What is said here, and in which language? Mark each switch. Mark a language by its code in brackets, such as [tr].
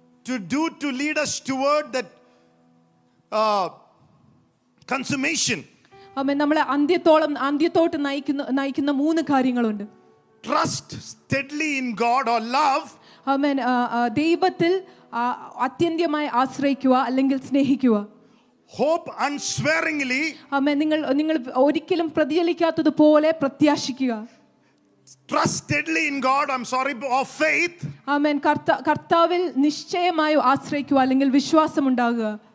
[en] To do to lead us toward that consummation [ml] അമേൻ നമ്മളെ അന്ത്യത്തോളം അന്ത്യത്തോട്ട് നയിക്കുന്ന മൂന്ന് കാര്യങ്ങളുണ്ട് [en] Trust steadily in God or love [ml] അമേൻ ദൈവത്തിൽ അത്യന്തമായി ആശ്രയിക്കുക അല്ലെങ്കിൽ സ്നേഹിക്കുക [en] Hope unswervingly [ml] അമേൻ നിങ്ങൾ ഒരിക്കലും പ്രതിഫലിക്കാത്തതുപോലെ പ്രത്യാശിക്കുക [en] Trust steadily in God I'm sorry of faith [ml] അമേൻ കർത്താവിൽ നിശ്ചയമായി ആശ്രയിക്കുക അല്ലെങ്കിൽ വിശ്വാസം ഉണ്ടാകുക